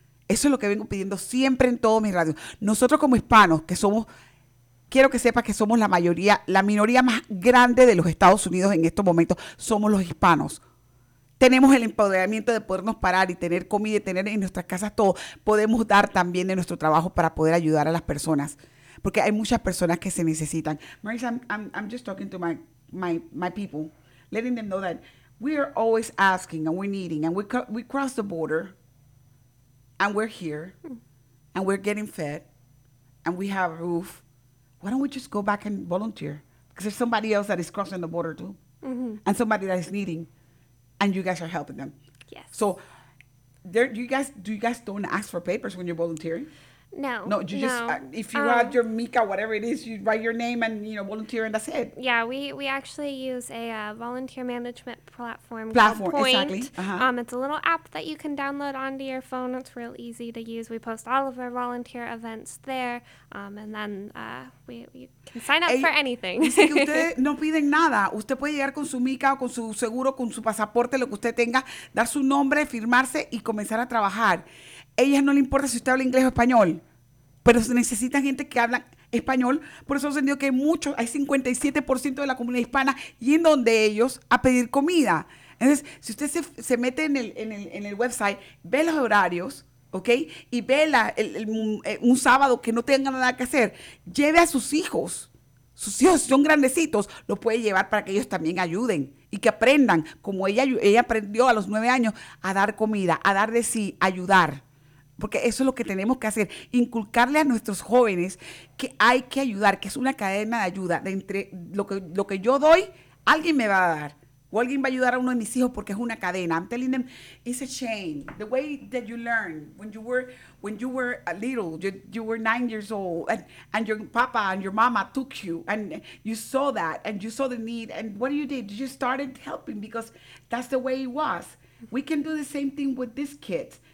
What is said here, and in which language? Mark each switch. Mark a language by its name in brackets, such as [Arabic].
[Spanish] Eso es lo que vengo pidiendo siempre en todos mis radios. Nosotros como hispanos, que somos, quiero que sepas que somos la mayoría, la minoría más grande de los Estados Unidos en estos momentos, somos los hispanos. Tenemos el empoderamiento de podernos parar y tener comida y tener en nuestras casas todo. Podemos dar también de nuestro trabajo para poder ayudar a las personas. Porque hay muchas personas que se necesitan. [English] Marisa, I'm just talking to my people, letting them know that we are always asking and we're needing and we cross the border and we're here and we're getting fed and we have a roof. Why don't we just go back and volunteer? Because there's somebody else that is crossing the border too. Mm-hmm. And somebody that is needing and you guys are helping them. Yes. So do you guys don't ask for papers when you're volunteering? No, if you have your MICA, whatever it is, you write your name and, you know, volunteer and that's it. Yeah, we actually use a volunteer management platform called Point. Exactly. Uh-huh. It's a little app that you can download onto your phone. It's real easy to use. We post all of our volunteer events there, and then we can sign up for anything. [Spanish] Dice que usted no piden nada. Usted puede llegar con su MICA o con su seguro, con su pasaporte, lo que usted tenga, dar su nombre, firmarse y comenzar a trabajar. Ellas no le importa si usted habla inglés o español, pero se necesita gente que habla español. Por eso he sentido que hay 57% de la comunidad hispana yendo donde ellos a pedir comida. Entonces, si usted se mete en el website, ve los horarios, ¿okay? Y vela un sábado que no tenga nada que hacer, lleve a sus hijos. Sus hijos son grandecitos, lo puede llevar para que ellos también ayuden y que aprendan, como ella aprendió a los 9 años, a dar comida, a dar de sí, a ayudar. Porque eso es lo que tenemos que hacer, inculcarle a nuestros jóvenes que hay que ayudar, que es una cadena de ayuda. De entre lo que yo doy, alguien me va a dar. O alguien va a ayudar a uno de mis hijos porque es una cadena. [English] I'm telling them, it's a chain. The way that you learn when you were a little, you were 9 years old, and your papa and your mama took you, and you saw that, and you saw the need, and what did? You started helping because that's the way it was. We can do the same thing with these kids.